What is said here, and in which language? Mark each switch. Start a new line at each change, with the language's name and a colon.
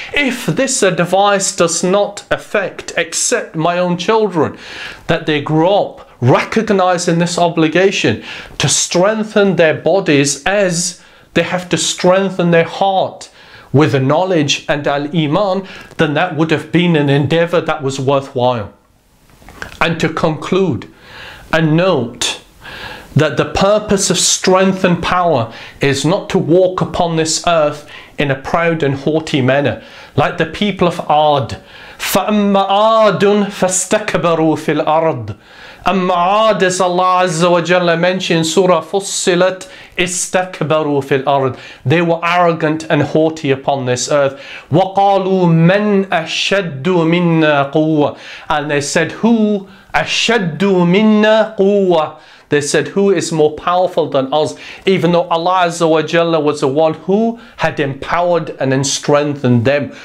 English: If this advice does not affect except my own children, that they grow up recognizing this obligation to strengthen their bodies as they have to strengthen their heart with the knowledge and al-Iman, then that would have been an endeavor that was worthwhile. And to conclude, a note that the purpose of strength and power is not to walk upon this earth in a proud and haughty manner, like the people of Ad.
Arabic: فَأَمَّا عَادٌ فَاسْتَكْبَرُوا فِي الْأَرْضِ أَمَّا عَادٌ,
English: as Allah Azza wa Jalla mentioned in Surah Fussilat,
Arabic: استكبروا في الأرض.
English: They were arrogant and haughty upon this earth.
Arabic: وَقَالُوا مَنْ أَشَدُّ مِنَّا قُوَّةً,
English: and they said, who
Arabic: أَشَدُّ مِنَّا قُوَّةً,
English: they said, who is more powerful than us, even though Allah Azza wa Jalla was the one who had empowered and strengthened them.